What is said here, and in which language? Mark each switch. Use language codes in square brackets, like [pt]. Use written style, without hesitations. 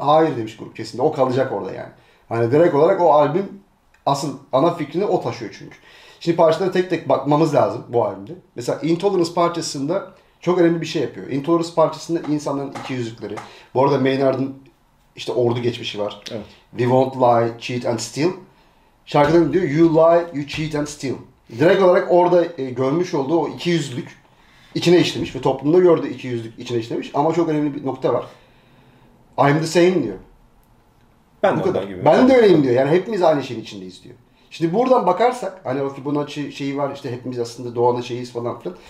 [tr] Hayır demiş grup kesinlikle. O kalacak orada yani. Hani direkt olarak o albüm asıl ana fikrini o taşıyor çünkü. Şimdi parçalara tek tek bakmamız lazım bu albümde. Mesela Intolerance parçasında çok önemli bir şey yapıyor. Intolerance parçasında insanların iki yüzlükleri. Bu arada Maynard'ın işte ordu geçmişi var. Evet. [en] We won't lie, cheat and steal. [tr] Şarkıda diyor? [en] You lie, you cheat and steal. [tr] Direkt olarak orada görmüş olduğu o ikiyüzlülük içine işlemiş ve toplumda gördüğü iki yüzlük içine işlemiş. Ama çok önemli bir nokta var. [en] I'm the same [tr] diyor. Ben bu de kadar. Ben de öyleyim diyor. Yani hepimiz aynı şeyin içindeyiz diyor. Şimdi buradan bakarsak, hani o Fibonacci şeyi var, işte hepimiz aslında doğanın şeyiyiz falan filan.